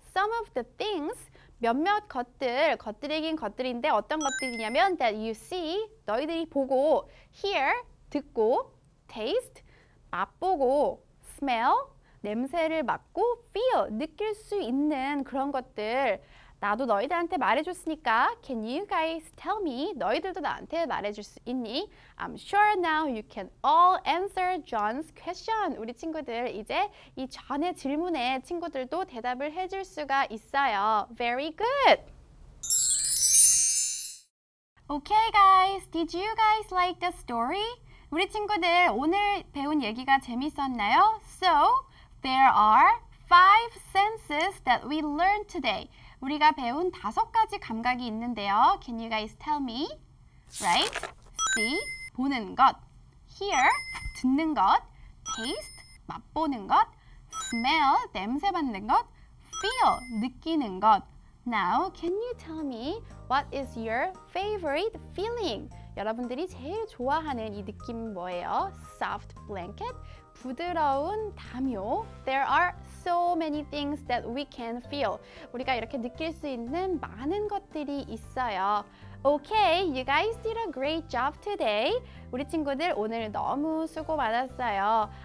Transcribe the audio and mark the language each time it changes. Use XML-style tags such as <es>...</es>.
<en>Some of the things.</en> <ko>몇몇 것들, 것들이긴 것들인데 어떤 것들이냐면</ko> <en>that you see,</en> <ko>너희들이 보고, hear, 듣고, taste, 맛보고, smell, 냄새를 맡고, feel, 느낄 수 있는 그런 것들 나도 너희들한테 말해줬으니까</ko> <en>Can you guys tell me?</en> <ko>너희들도 나한테 말해줄 수 있니?</ko> <en>I'm sure now you can all answer John's question.</en> <ko>우리 친구들 이제 이 John의 질문에 친구들도 대답을 해줄 수가 있어요.</ko> <en>Very good! Okay, guys. Did you guys like the story?</en> <ko>우리 친구들 오늘 배운 얘기가 재밌었나요?</ko> <en>So, there are five senses that we learned today.</en> <ko>우리가 배운 다섯 가지 감각이 있는데요.</ko> <en>Can you guys tell me? Right? See,</en> <ko>보는 것. Hear, 듣는 것. Taste, 맛보는 것. Smell, 냄새 맡는 것. Feel, 느끼는 것.</ko> <en>Now, can you tell me what is your favorite feeling?</en> <ko>여러분들이 제일 좋아하는 이 느낌 뭐예요?</ko> <en>Soft blanket, 부드러운 담요. There are so many things that we can feel.</en> <ko>우리가 이렇게 느낄 수 있는 많은 것들이 있어요.</ko> <en>Okay, you guys did a great job today.</en> <ko>우리 친구들 오늘 너무 수고 많았어요.</ko>